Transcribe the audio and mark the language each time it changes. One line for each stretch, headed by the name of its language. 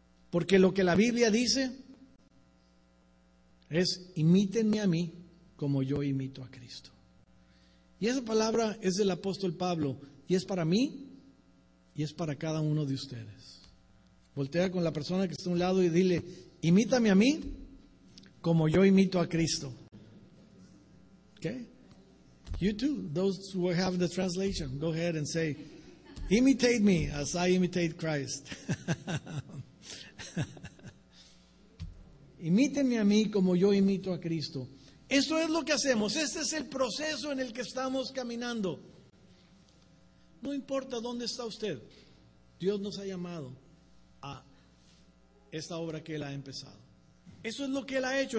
Spanish: Porque lo que la Biblia dice es, imítenme a mí como yo imito a Cristo. Y esa palabra es del apóstol Pablo, y es para mí, y es para cada uno de ustedes. Voltea con la persona que está a un lado y dile, imítame a mí como yo imito a Cristo.
English: Okay? You too, those who have the translation, go ahead and say, imitate me as I imitate Christ.
Spanish: Imítenme a mí como yo imito a Cristo. Eso es lo que hacemos, este es el proceso en el que estamos caminando. No importa dónde está usted, Dios nos ha llamado a esta obra que Él ha empezado. Eso es lo que Él ha hecho.